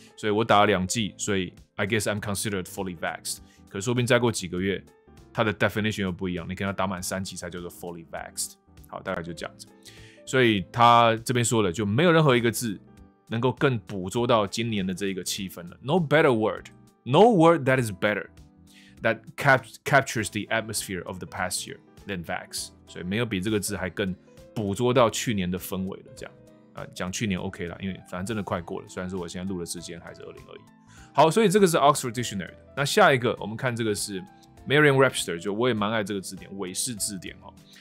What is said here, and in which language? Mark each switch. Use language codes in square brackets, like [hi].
[zh] 所以我打了两剂，所以 [en] I guess I'm considered fully vaxed。 [zh] 可说不定再过几个月，它的 definition 又不一样，你可能要打满三剂才叫做 [en] fully vaxed。 [zh] 好，大概就这样子。所以他这边说了，就没有任何一个字能够更捕捉到今年的这一个气氛了。 [en] No better word, no word that is better that captures the atmosphere of the past year than vax。 [zh] 所以没有比这个字还更捕捉到去年的氛围了，这样。讲去年 OK 了，因为反正真的快过了，虽然说我现在录的时间还是2021。好，所以这个是 Oxford Dictionary 的。那下一个我们看这个是 Merriam-Webster， 就我也蛮爱这个字典，韦氏字典哦。